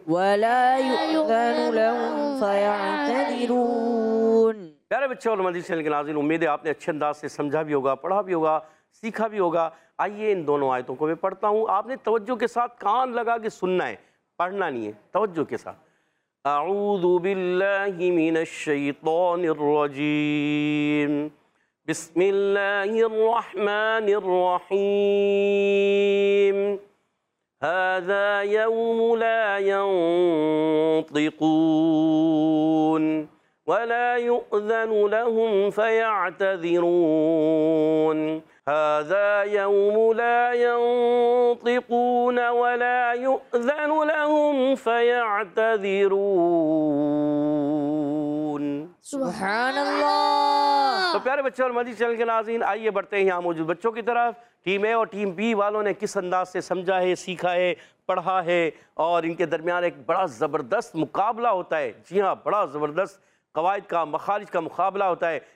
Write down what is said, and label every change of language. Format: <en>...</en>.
<ar>ولا يؤذن لهم فيعتذرون.</ar> <ur>پیارے بچے اور مدرسہ کے ناظرین, امید ہے آپ نے اچھے انداز سے سمجھا بھی ہوگا, پڑھا بھی ہوگا, سیکھا بھی ہوگا. آئیے ان دونوں آیتوں کو میں پڑھتا ہوں, آپ نے توجہ کے ساتھ کان لگا کے سننا ہے, پڑھنا نہیں ہے. توجہ کے ساتھ.</ur> <ar>أعوذ بالله من الشيطان الرجيم بسم الله الرحمن الرحيم هذا يوم لا ينطقون ولا يؤذن لهم فيعتذرون هذا يوم لا ينطقون ولا يؤذن لهم فيعتذرون سبحان الله.</ar> <ur>تو پیارے بچوں اور مدنی چینل کے ناظرین, آئیے بڑھتے ہیں یہاں موجود بچوں کی طرف. ٹیم اے اور ٹیم بی والوں نے کس انداز سے سمجھا ہے, سیکھا ہے, پڑھا ہے, اور ان کے درمیان ایک بڑا زبردست مقابلہ ہوتا ہے. جی ہاں, بڑا زبردست قواعد کا مخارج کا مقابلہ ہوتا ہے.</ur>